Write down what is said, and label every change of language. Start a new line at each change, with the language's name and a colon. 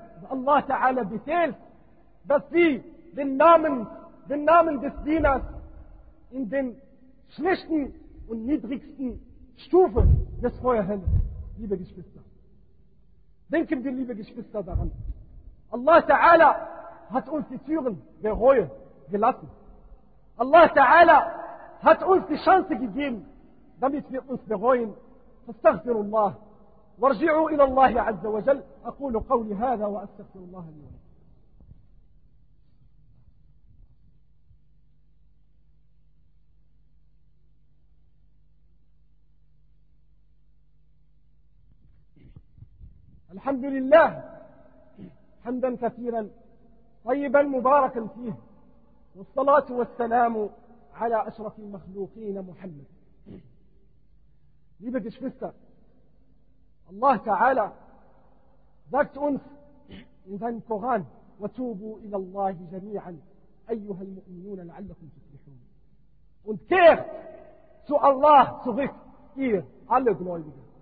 German: Allah Ta'ala befehlt, dass sie den Namen des Dieners in den schlechten und niedrigsten Stufen des Feuerhelles, liebe Geschwister. Denken wir, liebe Geschwister, daran. Allah Ta'ala hat uns die Türen der Reue gelassen. Allah Ta'ala hat uns die Chance gegeben, damit wir uns bereuen.
Arabic: Astaghfirullah. وارجعوا إلى الله عز وجل. أقول قولي هذا وأستغفر الله لي ولكم. الحمد لله حمدا كثيرا طيبا مباركا فيه والصلاة والسلام على أشرف المخلوقين محمد.
German: Liebe Geschwister, Allah Ta'ala sagt uns in seinem Koran,
Arabic: وَتُوبُوا إِلَى اللَّهِ جَمِيعًا أَيُّهَا الْمُؤْمِنُونَ لَعَلَّكُمْ تُفْلِحُونَ.
German: Und kehrt zu Allah zurück, ihr alle Gläubigen.